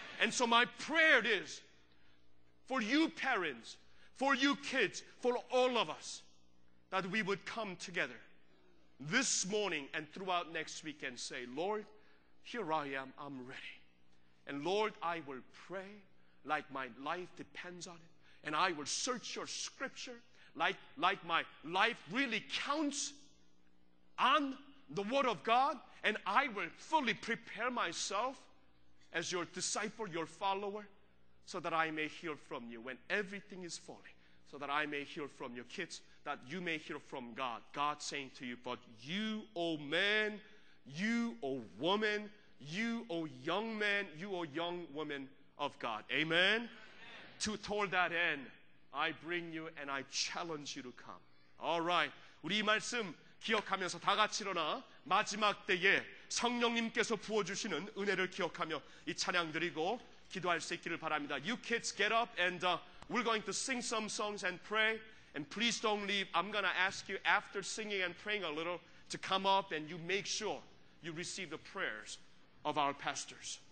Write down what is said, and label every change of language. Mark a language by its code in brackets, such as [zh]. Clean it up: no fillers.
[en] And so my prayer is for you parents, for you kids, for all of us, that we would come together this morning and throughout next week and say, Lord, here I am, I'm ready. And Lord, I will pray like my life depends on it. And I will search your scripture like my life really counts on the word of God. And I will fully prepare myself as your disciple, your follower, so that I may hear from you when everything is falling. So that I may hear from your kids, that you may hear from God. God saying to you, but you, O man, you, O woman, you, O young man, you, O young woman of God. Amen? Amen. To toward that end, I bring you and I challenge you to come. All right. [ko] 우리 이 말씀 기억하면서 다 같이 일어나 마지막 때에 성령님께서 부어주시는 은혜를 기억하며 이 찬양 드리고 기도할 수 있기를 바랍니다. [en] You kids get up and we're going to sing some songs and pray. And please don't leave. I'm going to ask you after singing and praying a little to come up and you make sure you receive the prayers of our pastors.